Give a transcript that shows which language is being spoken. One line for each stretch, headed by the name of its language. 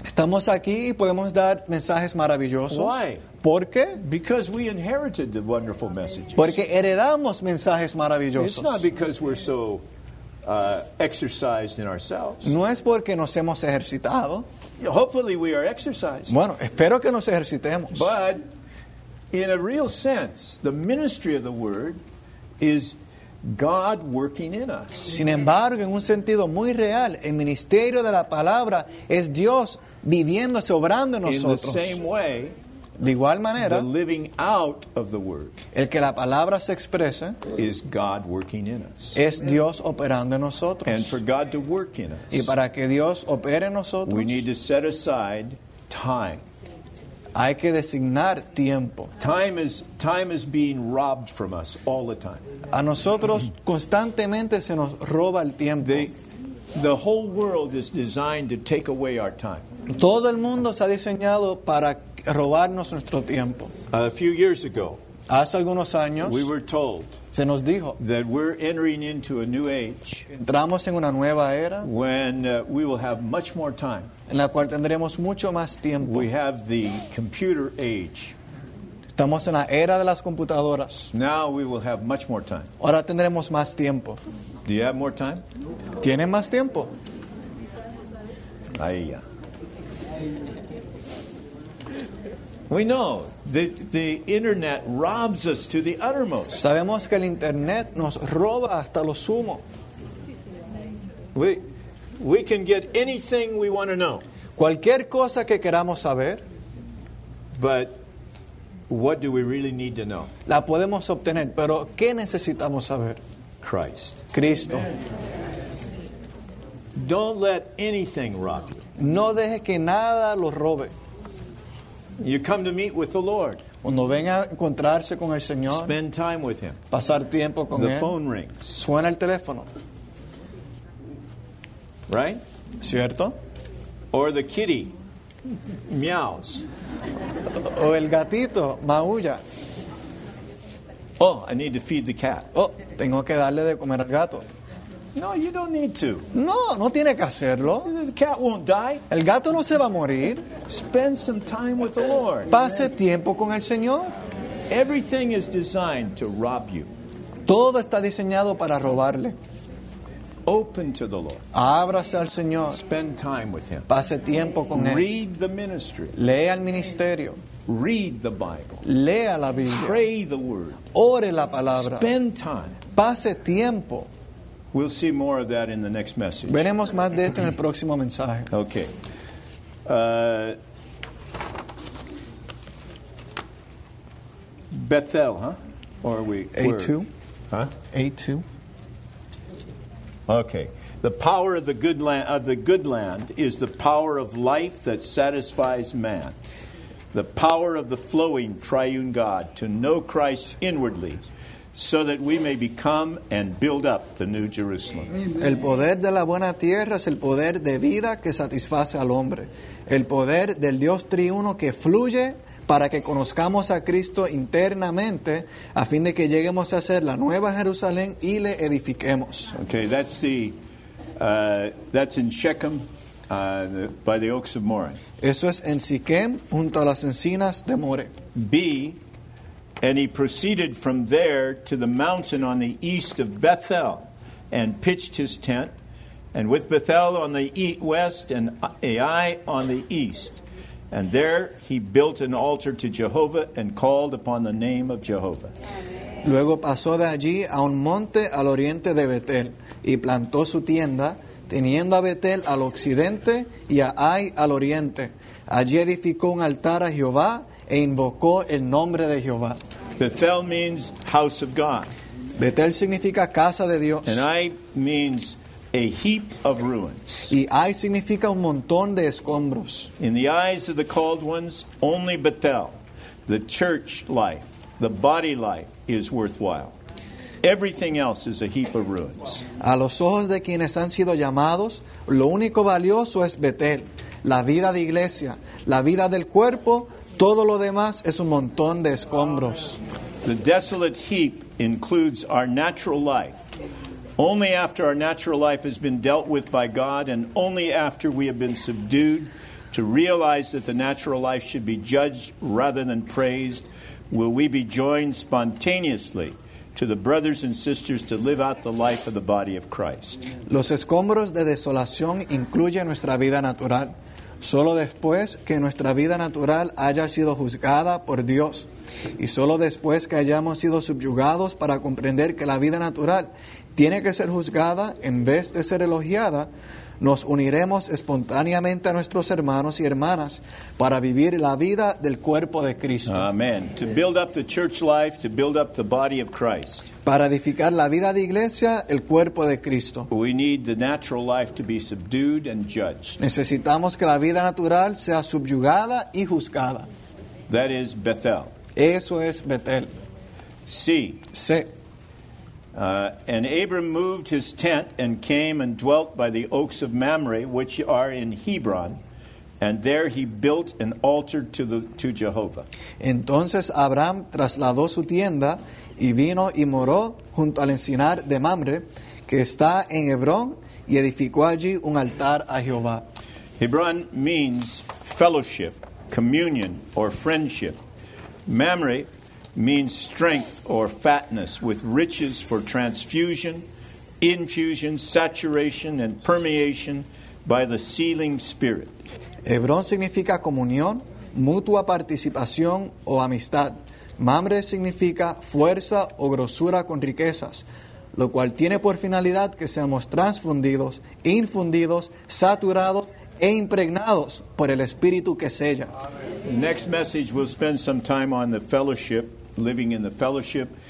Spanish: Estamos aquí y podemos dar mensajes maravillosos.
English: Why?
Spanish: ¿Por qué?
English: Because we inherited the wonderful messages.
Spanish: Porque heredamos mensajes maravillosos.
English: It's not because we're so exercised in ourselves.
Spanish: No es porque nos hemos ejercitado.
English: Hopefully we are exercised.
Spanish: Bueno, espero que nos ejercitemos.
English: But in a real sense, the ministry of the word is God working in us.
Spanish: Sin embargo, en un sentido muy real, el ministerio de la palabra es Dios viviéndose, obrando en nosotros.
English: In the same way,
Spanish: de igual manera,
English: the living out of the word,
Spanish: el que la palabra se expresa,
English: is God working in us.
Spanish: Es Dios operando en nosotros.
English: And for God to work in us,
Spanish: y para que Dios opere en nosotros,
English: we need to set aside time.
Spanish: Hay que designar tiempo.
English: Time is being robbed from us all the time.
Spanish: A nosotros constantemente se nos roba el tiempo.
English: The whole world is designed to take away our time.
Spanish: Todo el mundo se ha diseñado para robarnos nuestro tiempo.
English: A few years ago,
Spanish: Hace algunos años,
English: we were told,
Spanish: se nos dijo,
English: that we're entering into a new age,
Spanish: entramos en una nueva era,
English: when we will have much more time,
Spanish: en la cual tendremos mucho más tiempo.
English: We have the computer age.
Spanish: Estamos en la era de las computadoras.
English: Now we will have much more time.
Spanish: Ahora tendremos más tiempo.
English: Do you have more time?
Spanish: ¿Tienen más tiempo? Ahí ya.
English: We know that the internet robs us to the uttermost.
Spanish: Sabemos que el internet nos roba hasta lo sumo.
English: We can get anything we want to know.
Spanish: Cualquier cosa que queramos saber.
English: But what do we really need to know?
Spanish: La podemos obtener, pero ¿qué necesitamos saber?
English: Christ.
Spanish: Cristo.
English: Don't let anything rob you.
Spanish: No deje que nada lo robe.
English: You come to meet with the Lord.
Spanish: Cuando venga a encontrarse con el Señor.
English: Spend time with him.
Spanish: Pasar tiempo con
English: the
Spanish: él.
English: The phone rings.
Spanish: Suena el teléfono.
English: Right?
Spanish: ¿Cierto?
English: Or the kitty meows.
Spanish: O el gatito maulla.
English: Oh, I need to feed the cat.
Spanish: Oh, tengo que darle de comer al gato.
English: No, you don't need to.
Spanish: No, no tiene que hacerlo.
English: The cat won't die.
Spanish: El gato no se va a morir.
English: Spend some time with the Lord.
Spanish: Pase tiempo con el Señor.
English: Everything is designed to rob you.
Spanish: Todo está diseñado para robarle.
English: Open to the Lord.
Spanish: Ábrase al Señor.
English: Spend time with him.
Spanish: Pase tiempo con él.
English: Read the ministry.
Spanish: Lea el ministerio.
English: Read the Bible.
Spanish: Lea la Biblia.
English: Pray the word.
Spanish: Ore la palabra.
English: Spend time.
Spanish: Pase tiempo.
English: We'll see more of that in the next message.
Spanish: Veremos más de esto en el próximo mensaje.
English: Okay. Bethel, huh? Or are we? A2. Huh? A2. Okay. The power of the good land is the power of life that satisfies man. The power of the flowing triune God to know Christ inwardly, so that we may become and build up the new Jerusalem.
Spanish: El poder de la buena tierra es el poder de vida que satisface al hombre. El poder del Dios triuno que fluye para que conozcamos a Cristo internamente a fin de que lleguemos a ser la nueva Jerusalén y le edifiquemos.
English: Okay, that's the that's in Shechem by the oaks of More.
Spanish: Eso es en Siquem junto a las encinas de More.
English: B. And he proceeded from there to the mountain on the east of Bethel and pitched his tent, and with Bethel on the west and Ai on the east. And there he built an altar to Jehovah and called upon the name of Jehovah.
Spanish: Luego pasó de allí a un monte al oriente de Bethel y plantó su tienda, teniendo a Bethel al occidente y a Ai al oriente. Allí edificó un altar a Jehová e invocó el nombre de Jehová.
English: Bethel means house of God.
Spanish: Bethel significa casa de Dios.
English: And Ai means a heap of ruins.
Spanish: Y Ai significa un montón de escombros.
English: In the eyes of the called ones, only Bethel, the church life, the body life, is worthwhile. Everything else is a heap of ruins.
Spanish: A los ojos de quienes han sido llamados, lo único valioso es Bethel, la vida de iglesia, la vida del cuerpo. Todo lo demás es un montón de escombros.
English: The desolate heap includes our natural life. Only after our natural life has been dealt with by God, and only after we have been subdued to realize that the natural life should be judged rather than praised, will we be joined spontaneously to the brothers and sisters to live out the life of the body of Christ.
Spanish: Los escombros de desolación incluyen nuestra vida natural. Solo después que nuestra vida natural haya sido juzgada por Dios, y solo después que hayamos sido subyugados para comprender que la vida natural tiene que ser juzgada en vez de ser elogiada, nos uniremos espontáneamente a nuestros hermanos y hermanas para vivir la vida del cuerpo de Cristo.
English: Amen. To build up the church life, to build up the body of Christ.
Spanish: Para edificar la vida de iglesia, el cuerpo de Cristo.
English: We need the natural life to be subdued and judged.
Spanish: Necesitamos que la vida natural sea subyugada y juzgada.
English: That is Bethel.
Spanish: Eso es Bethel. Sí.
English: And Abram moved his tent and came and dwelt by the oaks of Mamre, which are in Hebron, And there he built an altar to Jehovah.
Spanish: Entonces Abraham trasladó su tienda y vino y moró junto al encinar de Mamre, que está en Hebrón, y edificó allí un altar a Jehová.
English: Hebrón means fellowship, communion, or friendship. Mamre means strength or fatness, with riches for transfusion, infusion, saturation, and permeation by the sealing spirit.
Spanish: Hebrón significa comunión, mutua participación o amistad. Mamre significa fuerza o grosura con riquezas, lo cual tiene por finalidad que seamos transfundidos, infundidos, saturados e impregnados por el Espíritu que sella.
English: Next message, we'll spend some time on the fellowship, living in the fellowship.